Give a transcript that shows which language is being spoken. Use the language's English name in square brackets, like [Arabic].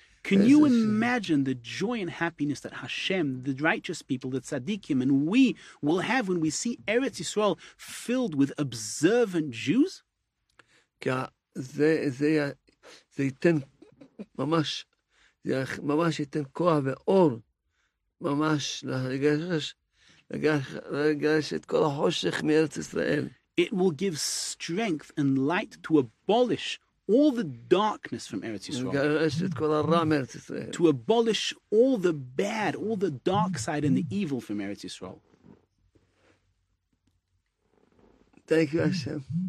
[English] Can you imagine the joy and happiness that Hashem, the righteous people, the tzaddikim, and we will have when we see Eretz Yisrael filled with observant Jews? [Hebrew] זה ייתן ממש, זה ממש ייתן כוח ואור. ממש לגרש את כל החושך מארץ ישראל. [English] It will give strength and light to abolish all the darkness from Eretz Yisrael, to abolish all the bad, all the dark side and the evil from Eretz Yisrael. Thank you, Hashem.